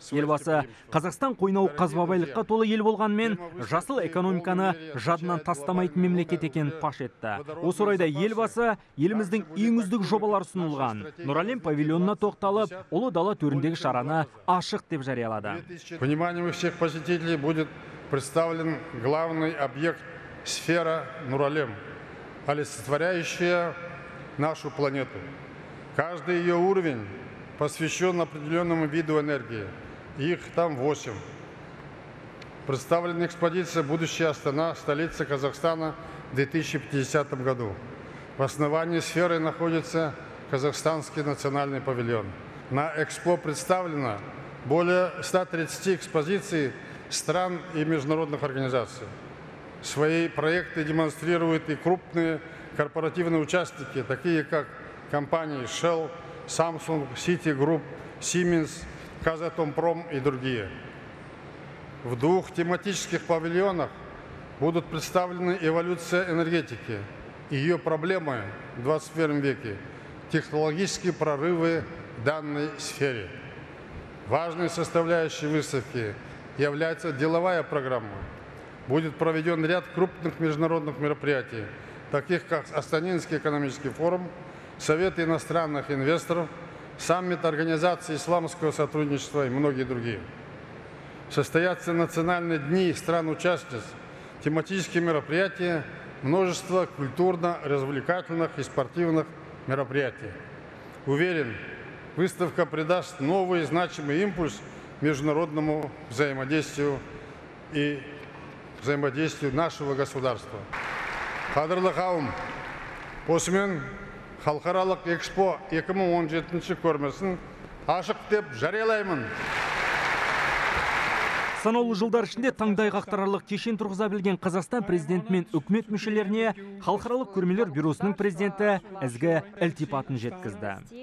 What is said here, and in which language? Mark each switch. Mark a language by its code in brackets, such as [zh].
[kk] Елбасы Қазақстан қойнау қазба байлыққа толы ел болғанмен жасыл экономиканы жадынан тастамайтын мемлекет екенін паш етті. Осы орайда елбасы еліміздің ең үздік жобалары ұсынылған Нұр Әлем павильонына тоқталып, ұлы дала төріндегі шараны ашық деп жариялады. [ru] Вниманию всех посетителей будет представлен главный объект сфера Нұр Әлем, олицетворяющая нашу планету. Каждый ее уровень посвящен определенному виду энергии. Их там 8. Представлена экспозиция «Будущая Астана, столица Казахстана в 2050 году». В основании сферы находится Казахстанский национальный павильон. На экспо представлено более 130 экспозиций стран и международных организаций. Свои проекты демонстрируют и крупные корпоративные участники, такие как компании Shell, Samsung, Citigroup, Siemens, Kazatomprom и другие. В двух тематических павильонах будут представлены эволюция энергетики, ее проблемы в 21 веке, технологические прорывы в данной сфере. Важной составляющей выставки является деловая программа. Будет проведен ряд крупных международных мероприятий, таких как Астанинский экономический форум, Совет иностранных инвесторов, саммит Организации исламского сотрудничества и многие другие. Состоятся национальные дни стран-участниц, тематические мероприятия, множество культурно-развлекательных и спортивных мероприятий. Уверен, выставка придаст новый значимый импульс международному взаимодействию и взаимодействию нашего государства. [kk] Қадырлы қауым, осымен халықаралық экспо 2017 көрмесін ашық деп жариялаймын. Санаулы жылдар ішінде таңдай қақтырарлық кешен тұрғыза білген Қазақстан президенті мен үкімет мүшелеріне халықаралық көрмелер бюросының президенті ізгі ілтипатын жеткізді.